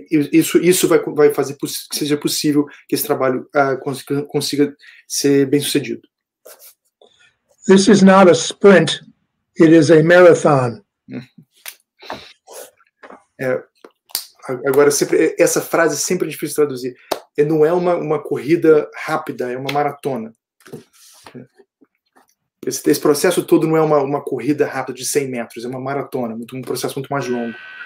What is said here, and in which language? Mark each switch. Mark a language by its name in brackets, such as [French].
[Portuguese] Isso vai fazer que seja possível que esse trabalho consiga ser bem-sucedido. [English] This is not a sprint, it is a marathon. [Portuguese] Agora, sempre, essa frase é sempre difícil de traduzir. Não é uma corrida rápida, é uma maratona. Esse processo todo não é uma corrida rápida de 100 metros, é uma maratona, um processo muito mais longo.